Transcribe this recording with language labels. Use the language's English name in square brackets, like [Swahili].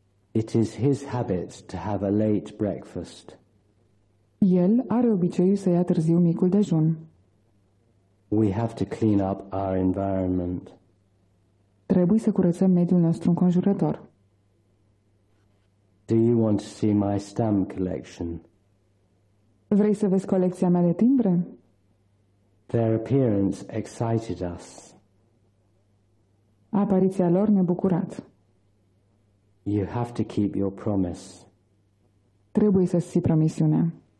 [English] It is his habit to have a late breakfast. [Romanian] El are obiceiul să ia târziu micul dejun. [English] We have to clean up our environment. [Romanian] Trebuie să curățăm mediul nostru înconjurător. [English] Do you want to see my stamp collection? [Romanian] Vrei să vezi colecția mea de timbre? [English] Their appearance excited us. [Romanian] Apariția lor ne-a bucurat. [English] You have to keep your promise. [Romanian] Trebuie să ții promisiunea.